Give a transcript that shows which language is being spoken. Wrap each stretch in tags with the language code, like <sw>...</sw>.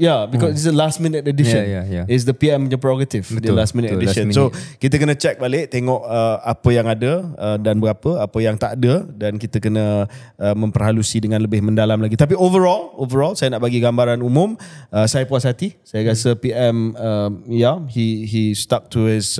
<en>Because it's a last minute edition. Yeah. It's the PM punya prerogative. Betul, the last minute betul, edition. Last minute.</en> <ms>So kita kena check balik, tengok apa yang ada dan berapa, apa yang tak ada, dan kita kena memperhalusi dengan lebih mendalam lagi. Tapi overall saya nak bagi gambaran umum, saya puas hati.</ms> <en>Saya rasa PM he stuck to his</en>